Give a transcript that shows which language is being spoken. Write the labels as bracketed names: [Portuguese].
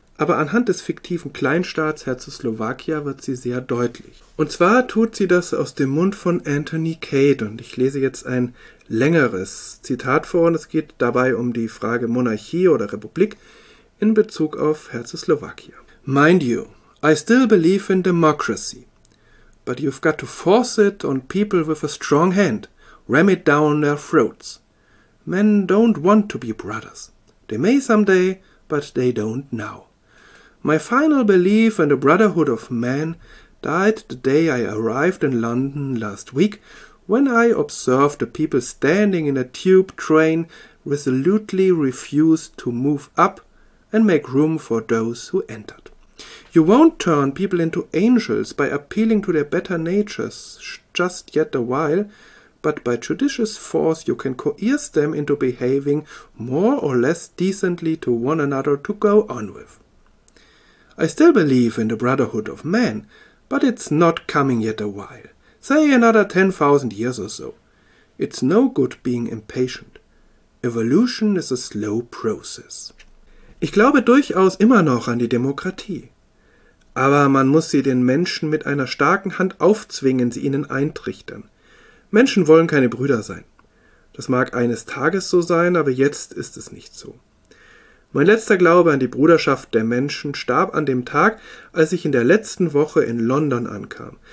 [German] Aber anhand des fiktiven Kleinstaats Herzoslowakia wird sie sehr deutlich. Und zwar tut sie das aus dem Mund von Anthony Cade, und ich lese jetzt ein längeres Zitat vor, und es geht dabei um die Frage Monarchie oder Republik in Bezug auf Herzoslowakia. [English] Mind you, I still believe in democracy. But you've got to force it on people with a strong hand, ram it down their throats. Men don't want to be brothers. They may someday, but they don't now. My final belief in the brotherhood of man died the day I arrived in London last week, when I observed the people standing in a tube train resolutely refused to move up and make room for those who entered. You won't turn people into angels by appealing to their better natures just yet a while, but by judicious force you can coerce them into behaving more or less decently to one another to go on with. I still believe in the brotherhood of man, but it's not coming yet a while. Say another 10,000 years or so. It's no good being impatient. Evolution is a slow process. [German] Ich glaube durchaus immer noch an die Demokratie. Aber man muss sie den Menschen mit einer starken Hand aufzwingen, sie ihnen eintrichtern. Menschen wollen keine Brüder sein. Das mag eines Tages so sein, aber jetzt ist es nicht so. Mein letzter Glaube an die Bruderschaft der Menschen starb an dem Tag, als ich in der letzten Woche in London ankam.